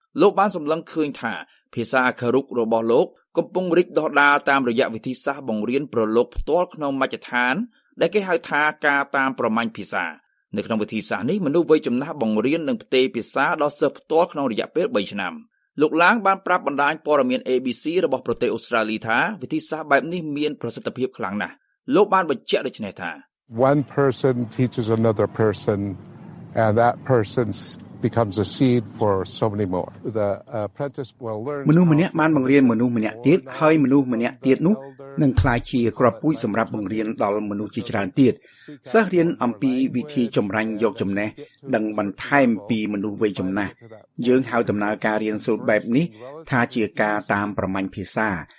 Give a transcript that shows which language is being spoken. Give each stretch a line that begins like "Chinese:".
Khmer: លោកបានសម្លឹងឃើញថាភាសាអាខរុករបស់លោកកំពុងរីកដុះដាលតាមរយៈវិធីសាស្ត្របង្រៀនប្រឡូកផ្ទាល់ក្នុងមជ្ឈដ្ឋានដែលគេហៅថាការតាមប្រម៉ាញ់ភាសា នៅក្នុងវិធីសាស្ត្រនេះមនុស្សវ័យចំណាស់បង្រៀននិងផ្ទេរភាសាដល់សិស្សផ្ទាល់ក្នុងរយៈពេល3ឆ្នាំលោក Lang បានប្រាប់បណ្ដាញព័ត៌មាន ABC របស់ប្រទេសអូស្ត្រាលីថាវិធីសាស្ត្របែបនេះមានប្រសិទ្ធភាពខ្លាំងណាស់លោកបានបញ្ជាក់ដូចនេះថា
English: One person teaches another person and that person becomes a seed for so many more. The apprentice will learn
Khmer: មនុស្សម្នាក់បានបង្រៀនមនុស្សម្នាក់ទៀតហើយមនុស្សម្នាក់ទៀតនោះនឹងក្លាយជាគ្រាប់ពូជសម្រាប់បង្រៀនដល់មនុស្សជាច្រើនទៀតសិស្សរៀនអំពីវិធីចម្រាញ់យកចំណេះដឹងបន្ថែមពីមនុស្សវ័យចំណាស់យើងហៅដំណើរការរៀនសូត្របែបនេះថាជាការតាមប្រម៉ាញ់ភាសា